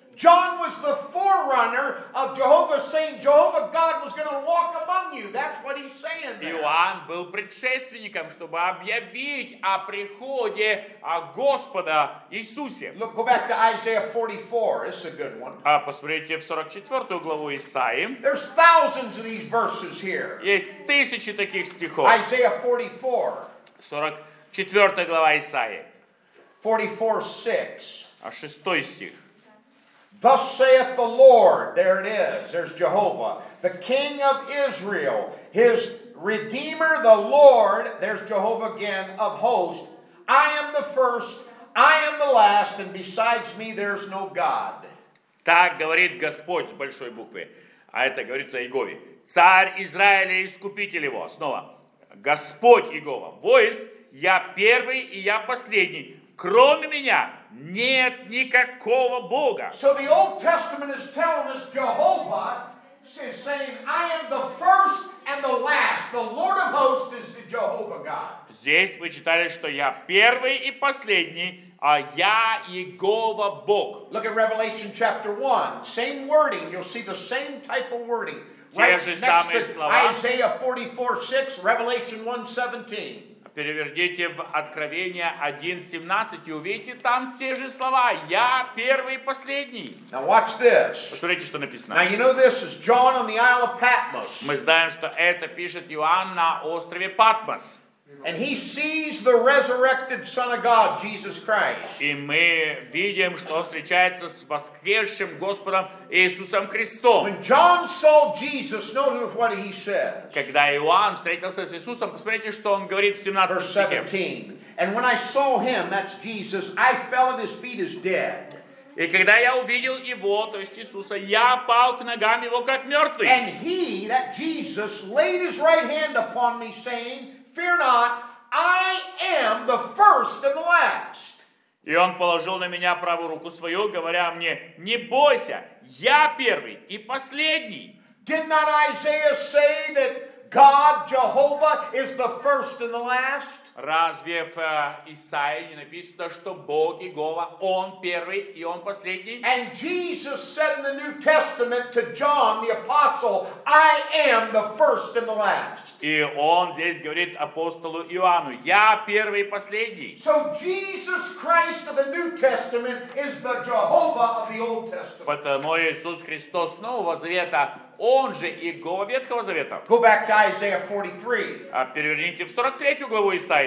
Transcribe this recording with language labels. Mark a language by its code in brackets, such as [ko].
[en] John was the forerunner of Jehovah, saying Jehovah God was going to walk among you. That's what he's saying there. [ru] Иоанн был предшественником, чтобы объявить о приходе Господа Иисусе. [en] Look, go back to Isaiah 44. This is a good one. [ru] А посмотрите в 44 главу Исаии. [en] There's thousands of these verses here. [ru] Есть тысячи таких стихов. [en] Isaiah 44. [ru] 44 глава Исаии. [en] 44:6. [ru] А шестой стих. [en] Thus saith the Lord, there it is, there's Jehovah, the King of Israel, his Redeemer, the Lord, there's Jehovah again, of hosts, I am the first, I am the last, and besides me there's no God. [ru] Так говорит Господь с большой буквы, а это говорится о Иегове, царь Израиля и искупитель его, снова, Господь Иегова, воист, я первый и я последний, кроме меня нет никакого Бога. [en] So the Old Testament is telling us Jehovah is saying, I am the first and the last. The Lord of hosts is the Jehovah God. [ru] Здесь мы читали, что я первый и последний, а я Иегова Бог. [en] Look at Revelation chapter 1. Same wording. You'll see the same type of wording. [ru] Те же самые слова. [en] Isaiah 44:6, Revelation 1:17. [ru] Перевердите в Откровение 1:17 и увидите там те же слова. Я первый и последний. [en] Now watch this. [ru] Посмотрите, что написано. [en] Now you know this is John on the Isle of Patmos. [ru] Мы знаем, что это пишет Иоанн на острове Патмос. [en] And he sees the resurrected Son of God, Jesus Christ. [ru] И мы видим, что встречается с воскресшим Господом Иисусом Христом. [en] When John saw Jesus, notice what he says. [ru] Когда Иоанн встретился с Иисусом, посмотрите, что он говорит в 17 стихе. [en] Verse 17. And when I saw him, that's Jesus, I fell at his feet as dead. [ru] И когда я увидел его, то есть Иисуса, я пал к ногам его как мертвый. [en] And he, that Jesus, laid his right hand upon me, saying, Fear not, I am the first and the last. [ru] И он положил на меня правую руку свою, говоря мне, не бойся, я первый и последний. [en] Did not Isaiah say that God, Jehovah, is the first and the last? [ru] Разве в Исаии не написано, что Бог Иегова, Он первый и Он последний? [en] And Jesus said in the New Testament to John, the apostle, I am the first and the last. [ru] И Он здесь говорит апостолу Иоанну, я первый и последний. [en] So Jesus Christ of the New Testament is the Jehovah of the Old Testament. [ru] Потому Иисус Христос Нового Завета, Он же Иегова Ветхого Завета. [en] Go back to Isaiah 43. [ru] А переверните в 43 главу Исаии.